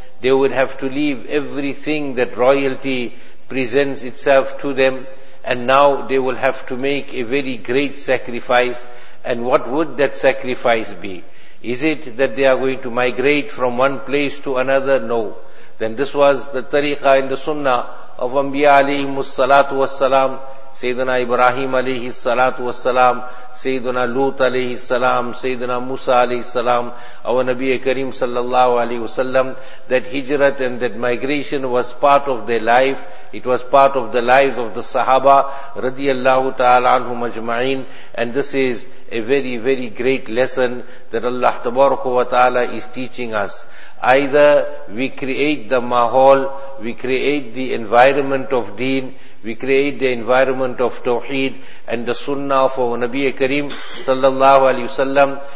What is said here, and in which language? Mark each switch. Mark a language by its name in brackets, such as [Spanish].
[English] They would have to leave everything that royalty presents itself to them, and now they will have to make a very great sacrifice. And what would that sacrifice be? Is it that they are going to migrate from one place to another? No. Then this was the tariqah in the sunnah of Anbiya alayhimus salatu wassalam, [Urdu] سیدنا ابراہیم علیہ السلام والسلام، سیدنا لوط علیہ السلام، سیدنا موسیٰ علیہ السلام، اور نبی کریم صلی اللہ علیہ وسلم. [English] That hijrat and that migration was part of their life. It was part of the lives of the Sahaba [Arabic] رضی اللہ تعالی عنہم اجمعین. [English] And this is a very very great lesson that Allah [Arabic] تبارک و تعالی [English] is teaching us. Either we create the mahal, we create the environment of deen, we create the environment of tawheed and the sunnah of our Nabi Kareem sallallahu alayhi wasallam.